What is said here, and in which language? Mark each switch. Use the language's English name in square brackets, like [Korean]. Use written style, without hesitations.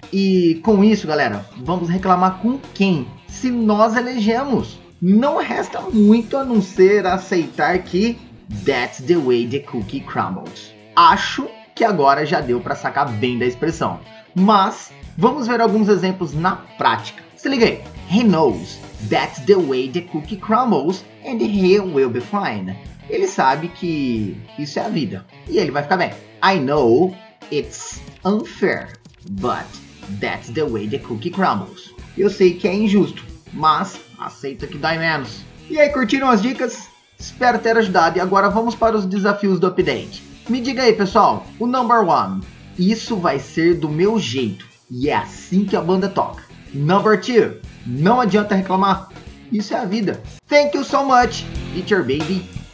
[Portuguese] E com isso, galera, vamos reclamar com quem? Se nós elegemos. Não resta muito a não ser aceitar que [English] that's the way the cookie crumbles. [Portuguese] Acho que agora já deu para sacar bem da expressão. Mas vamos ver alguns exemplos na prática. Se liga aí. [English] He knows that's the way the cookie crumbles and he will be fine. [Portuguese] Ele sabe que isso é a vida e ele vai ficar bem. [English] I know it's unfair, but that's the way the cookie crumbles. [Portuguese] Eu sei que é injusto, mas aceita que dói menos. E aí, curtiram as dicas? Espero ter ajudado e agora vamos para os desafios do update. Me diga aí, pessoal, o [English] number one. [Portuguese] Isso vai ser do meu jeito e é assim que a banda toca. [English] Number two. [Portuguese] Não adianta reclamar. Isso é a vida. [English] Thank you so much. It's your baby.